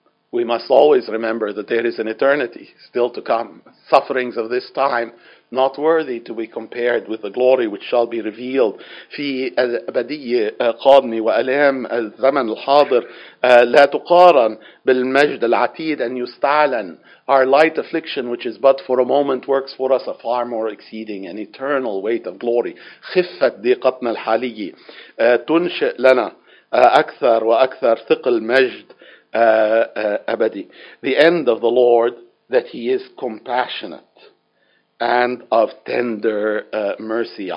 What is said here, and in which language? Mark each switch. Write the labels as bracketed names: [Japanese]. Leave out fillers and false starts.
[English] We must always remember that there is an eternity still to come. Sufferings of this time not worthy to be compared with the glory which shall be revealed. [Arabic] في الأبدية قادمة وألام الزمن الحاضر لا تقارن بالمجد العتيد أن يستعلن. [English] Our light affliction which is but for a moment works for us a far more exceeding and eternal weight of glory. [Arabic] خفة ضيقتنا الحالية تنشئ لنا أكثر وأكثر ثقل مجد أبدي. [English] The end of the Lord, that he is compassionate and of tender mercy.